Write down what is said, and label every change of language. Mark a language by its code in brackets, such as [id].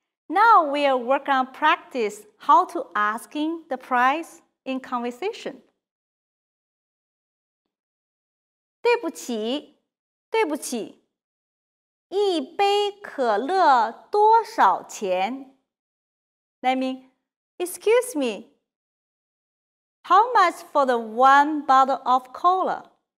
[en] Now we'll work on practice how to asking the price in conversation. [zh] 对不起,对不起, 一杯可乐多少钱? [en] That means, excuse me, how much for the one bottle of cola?